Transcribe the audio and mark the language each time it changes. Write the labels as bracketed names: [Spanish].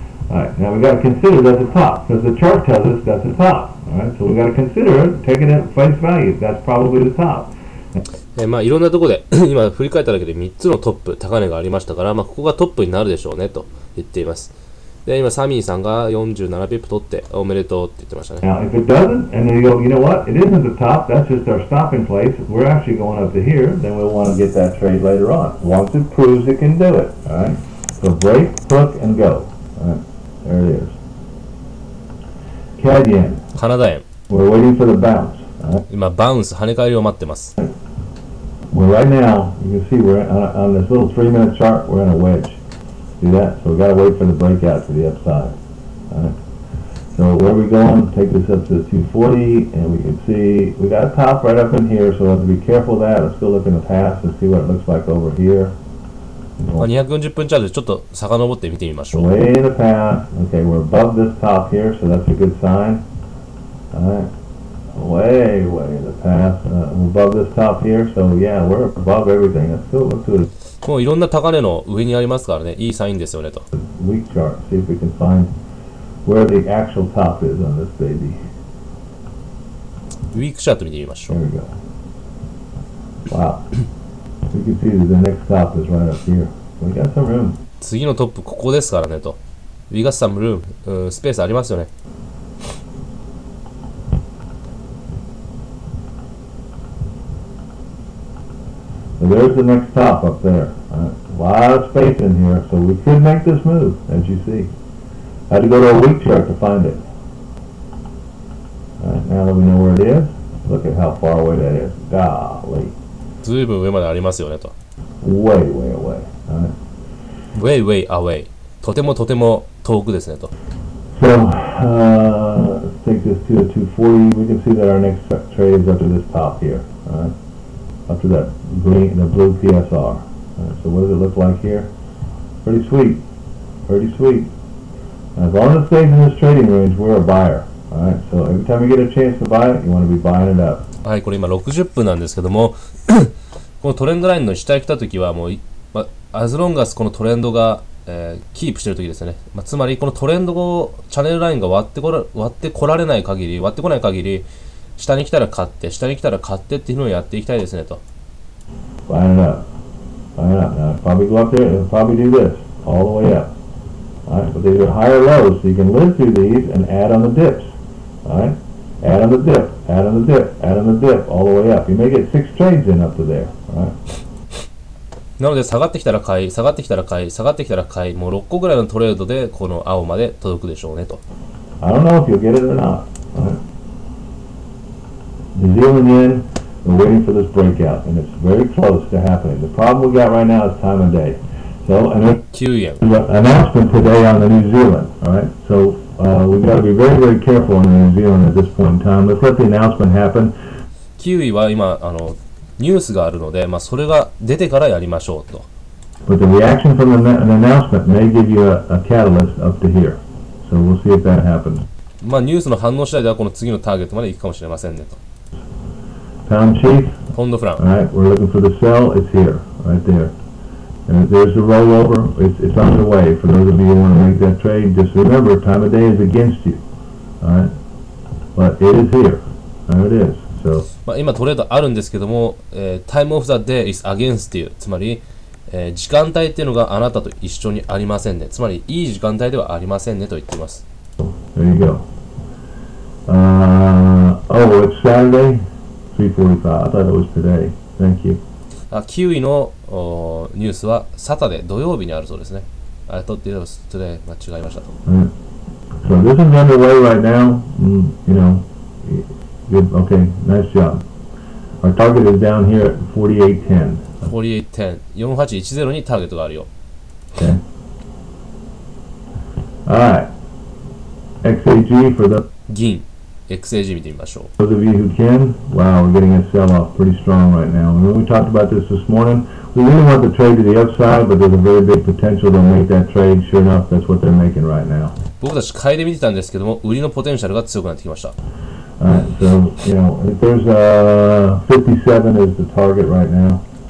[English] Alright, now we got to consider that's a top, because the chart tells us that's a top. Alright, so we got to consider taking it at face value. That's probably the top. [Japanese] まあ、いろんなところで今振り返っただけで3つのトップ、高値がありましたから、まあ、ここがトップになるでしょうねと言っています。で、今、サミーさんが47ピップ取って、おめでとうって言ってましたね。 [English] Now, if it doesn't, and then you go, you know what? It isn't the top. That's just our stopping place. We're actually going up to here. Then we'll want to get that trade later on. Once it proves it can do it. Alright? So break, hook, and go. Alright, there it is. CAD yen. [Japanese] カナダ円. [English] We're waiting for the bounce. Alright. [Japanese] 今バウンス跳ね返りを待ってます. [English] Well, right now, you can see we're on this little 3-minute chart, we're in a wedge. See that? So we've got to wait for the breakout to the upside. Alright. So where are we going? Take this up to the 240, and we can see we got a top right up in here, so we have to be careful of that. Let's still look in the past and see what it looks like over here. [Japanese] まあ、240分チャートでちょっと遡って見てみましょう。 [English] Way in the past. Okay, we're above this top here, so that's a good sign. Alright. Way, way in the past. We're above this top here, so yeah, we're above everything. Let's still look to it. [Japanese] もういろんな高値の上にありますからね、いいサインですよねと。 [English] Weak chart. See if we can find where the actual top is on this baby. Weak chart [Japanese] 見てみましょう。 [English] There we go. Wow. You can see that the next top is right up here. We got some room. [Japanese] 次のトップここですからねと。 [English] We got some room. [Japanese] スペースありますよね。 [English] So there's the next top up there. A lot of space in here, so we could make this move, as you see. I had to go to a weak chart to find it. Alright, now that we know where it is, look at how far away that is. Golly. [Japanese] ずいぶん上までありますよねと。 [English] Way, way away. Way, way away. [Japanese] とてもとても遠くですねと。 [English] So, let's take this to the 240. We can see that our next trade is up to this top here. Up to that green, the blue PSR. So what does it look like here? Pretty sweet. Pretty sweet. As long as it stays in this trading range, we're a buyer. Alright, so every time you get a chance to buy it, you want to be buying it up. [Japanese] はい、これ今60分なんですけども、このトレンドラインの下に来たときはもう、ま、 [English] as long as [Japanese] このトレンドが、キープしてるときですね、ま、つまりこのトレンドをチャンネルラインが割ってこない限り、下に来たら買って、下に来たら買ってっていうのをやっていきたいですねと。 [English] Buy it up. Buy it up. Now, probably go up there and probably do this all the way up. Alright, but these are higher lows, so you can live through these and add on the dips. Alright? Add on the dip, add on the dip, add on the dip, all the way up. You may get six trades in up to there, right? [Japanese] なので下がってきたら買い、下がってきたら買い、下がってきたら買い、もう6個ぐらいのトレードでこの青まで届くでしょうねと。 [English] I don't know if you'll get it or not, right? New Zealand yen, we're waiting for this breakout, and it's very close to happening. The problem we got right now is time of day. So, and then, announcement today on the New Zealand, all right? So,we've got to be very, very careful in New Zealand at this point in time. Let's let the announcement happen. [Japanese] キウイは今あのニュースがあるので、まあ、それが出てからやりましょうと。 [English] But the reaction from an announcement may give you a catalyst up to here. So we'll see if that happens. [Japanese] まあ、ニュースの反応次第ではこの次のターゲットまで行くかもしれませんねと。 [English] Pound Chief. Pound Fran. All right, we're looking for the sell. It's here, right there. And there's the rollover. It's on the way. For those of you who want to make that trade, just remember, time of day is against you. All right. But it is here. There it is. So. [Japanese] まあ今トレードあるんですけども、 [English] time of the day is against you. [Japanese] つまり、時間帯っていうのがあなたと一緒にありませんね。つまりいい時間帯ではありませんねと言っています。 [English] There you go. Oh, it's Saturday. 3:45. I thought it was today. Thank you. [Japanese] あ、キウイのニュースはサタデー、土曜日にあるそうですね。あれとっていうのは today、間違いましたと。 [English] So this is underway right now. You know, good. Okay, nice job. Our target is down here at 48.10. 48.10. [Japanese] 4810にターゲットがあるよ。 [English] Okay. Alright. XAG for the... [Japanese] 銀。 XAG 見てみましょう。 [English] Those of you who can, wow, we're getting a sell-off pretty strong right now. And we talked about this morning. We really want the trade to the upside, but there's a very big potential to make that trade. Sure enough, that's what they're making right now. [Japanese] 僕たち買いで見てたんですけども、売りのポテンシャルが強くなってきました。 [English] Alright, so, you know, if there's a 57 is the target right now.